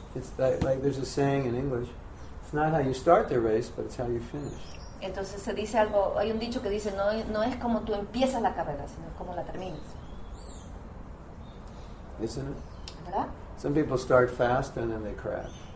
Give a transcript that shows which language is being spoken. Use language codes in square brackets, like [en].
[en] It's like there's a saying in English, it's not how you start the race, but it's how you finish. [es] Entonces se dice algo, hay un dicho que dice, no es como tú empiezas la carrera, sino como la terminas. [en] Isn't it? [es] ¿Verdad? [en] Some people start fast and then they crash.